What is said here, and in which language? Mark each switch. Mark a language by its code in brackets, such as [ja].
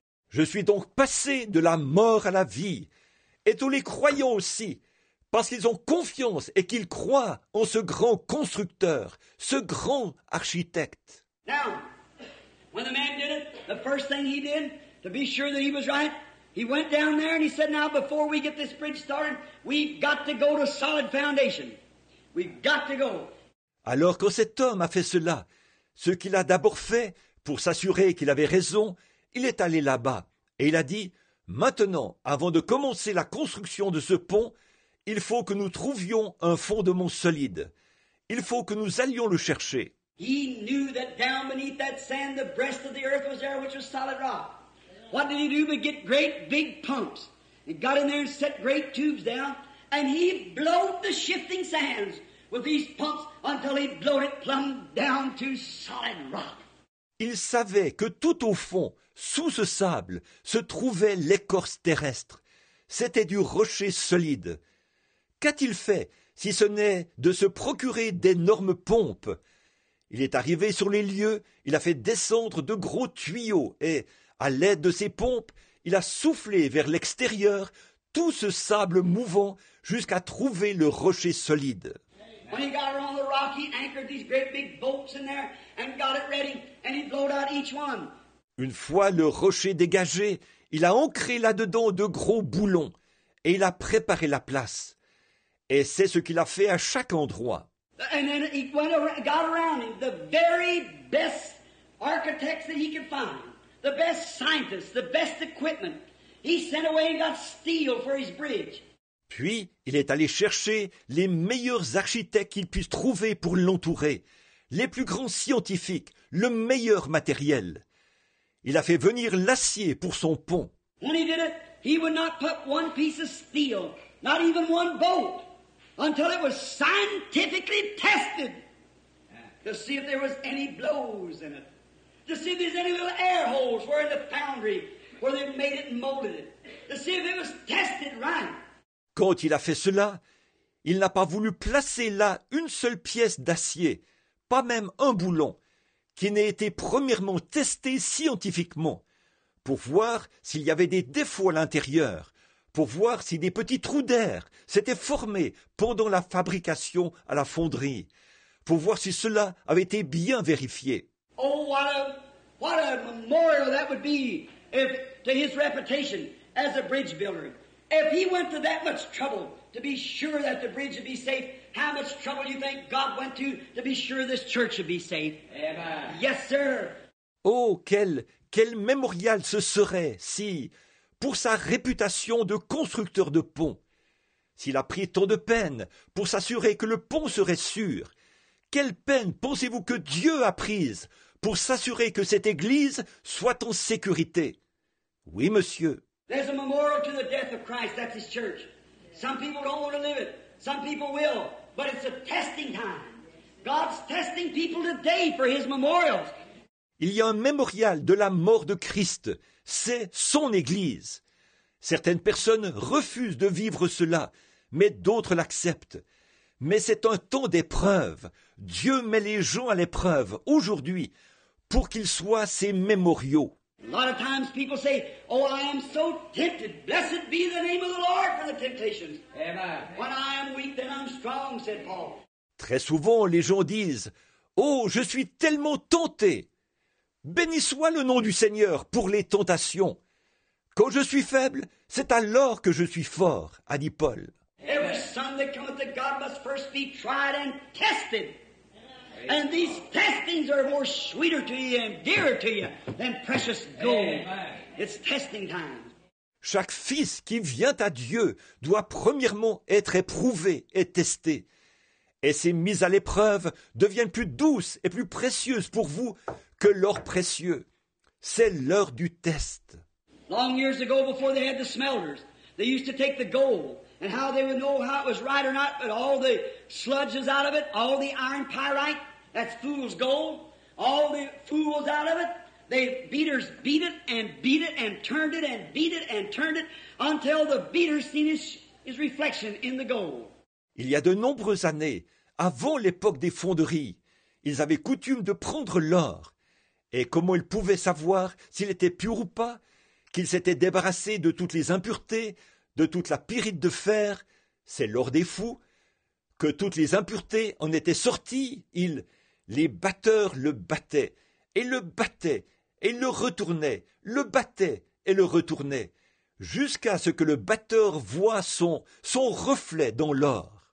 [fr] Je suis donc passé de la mort à la vie. Et tous les croyants aussi, parce qu'ils ont confiance et qu'ils croient en ce grand constructeur, ce grand architecte. [en] Now, when the man did it, the first thing he did, to be sure that he was right, he went down there and he said, now before we get this bridge started, we've got to go to solid foundation. We've got to go. [fr] Alors quand cet homme a fait cela, ce qu'il a d'abord fait pour s'assurer qu'il avait raison, il est allé là-bas et il a dit, maintenant, avant de commencer la construction de ce pont, il faut que nous trouvions un fondement solide. Il faut que nous allions le chercher. [en] He knew that down beneath that sand, the breast of the earth was there, which was solid rock. What did he do but get great big pumps? He got in there and set great tubes down, and he blowed the shifting sands with these pumps until he blowed it plumb down to solid rock. [fr] Il savait que tout au fond, sous ce sable, se trouvait l'écorce terrestre. C'était du rocher solide. Qu'a-t-il fait si ce n'est de se procurer d'énormes pompes? Il est arrivé sur les lieux, il a fait descendre de gros tuyaux et, à l'aide de ses pompes, il a soufflé vers l'extérieur tout ce sable mouvant jusqu'à trouver le rocher solide. [en] When he got around the rock, he anchored these great big bolts in there and got it ready and he blowed out each one. [fr] Une fois le rocher dégagé, il a ancré là-dedans de gros boulons et il a préparé la place. Et c'est ce qu'il a fait à chaque endroit. [en] And then he went around, got around him the very best architects that he could find, the best scientists, the best equipment. He sent away and got steel for his bridge. [fr] Puis, il est allé chercher les meilleurs architectes qu'il puisse trouver pour l'entourer, les plus grands scientifiques, le meilleur matériel. Il a fait venir l'acier pour son pont. [en] When he did it, he would not put one piece of steel, not even one bolt. Until it was scientifically tested to see if there was any blows in it, to see if there's any little air holes where in the foundry where they made it and molded it, to see if it was tested right. [fr] Quand il a fait cela, il n'a pas voulu placer là une seule pièce d'acier, pas même un boulon, qui n'ait été premièrement testé scientifiquement, pour voir s'il y avait des défauts à l'intérieur. Pour voir si des petits trous d'air s'étaient formés pendant la fabrication à la fonderie, pour voir si cela avait été bien vérifié. [en] Oh, what a memorial that would be if, to his reputation as a bridge builder. If he went to that much trouble to be sure that the bridge would be safe, how much trouble do you think God went to be sure this church would be safe? Amen. Yes, sir. [fr] Oh, quel mémorial ce serait si, pour sa réputation de constructeur de ponts, s'il a pris tant de peine pour s'assurer que le pont serait sûr, quelle peine pensez-vous que Dieu a prise pour s'assurer que cette église soit en sécurité? Oui, monsieur. [en] There's a memorial to the death of Christ, that's his church. Some people don't want to live it, some people will, but it's a testing time. God's testing people today for his memorials. [fr] Il y a un mémorial de la mort de Christ, c'est son église. Certaines personnes refusent de vivre cela, mais d'autres l'acceptent. Mais c'est un temps d'épreuve. Dieu met les gens à l'épreuve aujourd'hui pour qu'ils soient ses mémoriaux. [en] A lot of times people say, oh, I am so tempted. Blessed be the name of the Lord for the temptations. Amen. When I am weak, then I'm strong, said Paul. [fr] Très souvent, les gens disent, oh, je suis tellement tenté. Béni soit le nom du Seigneur pour les tentations. Quand je suis faible, c'est alors que je suis fort, a dit Paul. [en] Every son that cometh to God must first be tried and tested. And these testings are more sweeter to you and dearer to you than precious gold. It's testing time. [fr] Chaque fils qui vient à Dieu doit premièrement être éprouvé et testé. Et ces mises à l'épreuve deviennent plus douces et plus précieuses pour vous que l'or précieux. C'est l'heure du test. [en] Long years ago, before they had the smelters, they used to take the gold. And how they would know how it was right or not, but all the sludge is out of it, all the iron pyrite, that's fool's gold, all the fools out of it, the beaters beat it and turned it and beat it and turned it until the beater seen his reflection in the gold. [fr] Il y a de nombreuses années, avant l'époque des fonderies, ils avaient coutume de prendre l'or. Et comment ils pouvaient savoir s'il était pur ou pas, qu'ils s'étaient débarrassés de toutes les impuretés, de toute la pyrite de fer, c'est l'or des fous, que toutes les impuretés en étaient sorties, les batteurs le battaient, et le battaient, et le retournaient, le battaient, et le retournaient, jusqu'à ce que le batteur voit son reflet dans l'or.